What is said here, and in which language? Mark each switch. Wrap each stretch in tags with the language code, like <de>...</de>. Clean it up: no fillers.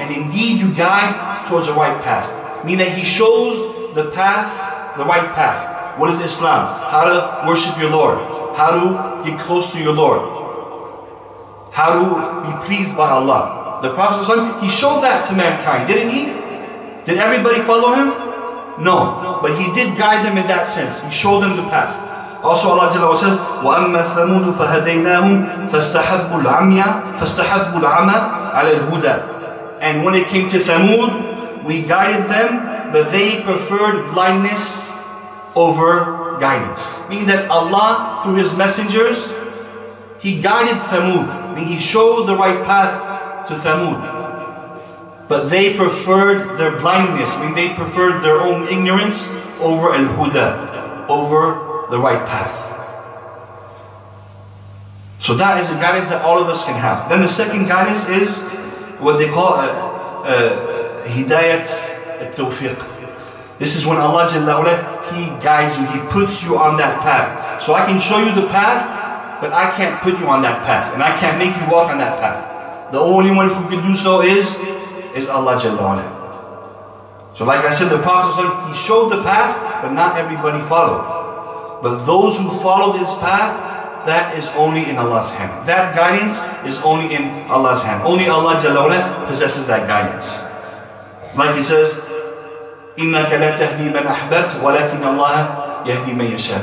<en>And indeed you guide towards the right path. Meaning that he shows the path, the right path. What is Islam? How to worship your Lord. How to get close to your Lord. How to be pleased by Allah. The Prophet ﷺ, he showed that to mankind, didn't he? Did everybody follow him? No. But he did guide them in that sense. He showed them the path. Also Allah Jalla wa says,</en> <ar>وَأَمَّا ثَمُودُ فَهَدَيْنَاهُمْ فَاسْتَحَبُّ الْعَمَى عَلَى الْهُدَى.</ar> <en>And when it came to Thamud, we guided them, but they preferred blindness over guidance. Meaning that Allah, through His messengers, He guided Thamud. Meaning He showed the right path to Thamud. But they preferred their blindness. Meaning they preferred their own ignorance over al-huda, over the right path. So that is a guidance that all of us can have. Then the second guidance is what they call hidayat al-tawfiq. This is when Allah Jalla wa Alaa, He guides you, He puts you on that path. So I can show you the path, but I can't put you on that path, and I can't make you walk on that path. The only one who can do so is Allah Jalla wa Alaa. So like I said, the Prophet, he showed the path, but not everybody followed. But those who follow this path, that is only in Allah's hand. That guidance is only in Allah's hand. Only Allah Jalla wa Alaa possesses that guidance. Like he says,</en> <ar>إِنَّكَ لَا تَهْدِي مَنْ أَحْبَبْتْ وَلَكِنَّ اللَّهَ يَهْدِي مَنْ يَشَاءُ.</ar>